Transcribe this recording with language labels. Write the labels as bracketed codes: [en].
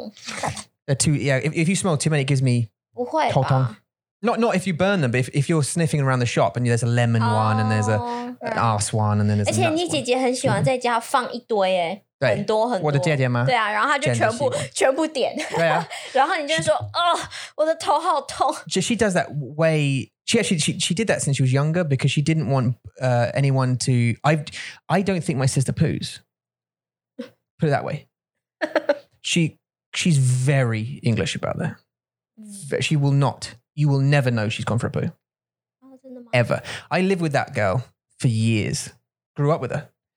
[en] Yeah, if you smell too many, it gives me [zh] 不会头痛。 [en] Not if you burn them, but if you're sniffing around the shop and there's a lemon one and there's an ass one and then there's a nuts one. [zh] 而且你姐姐很喜欢在家放一堆耶，很多很多。我的姐姐吗？对啊，然后她就全部点。对啊，然后你就说，哦，我的头好痛。 [en] She does that way. She did that since she was younger because she didn't want anyone to. I don't think my sister poos. Put it that way. She's very English about that. But she will not. You will never know she's gone for a poo. Ever. I lived with that girl for years. Grew up with her.